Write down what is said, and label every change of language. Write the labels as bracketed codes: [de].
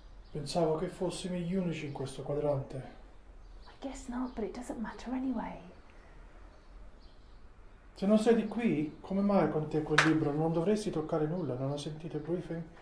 [it] Pensavo che fossimo gli unici in questo quadrante. [en] I guess not, but it doesn't matter anyway. [it] Se non sei di qui, come mai con te quel libro? Non dovresti toccare nulla, non ho sentito il briefing?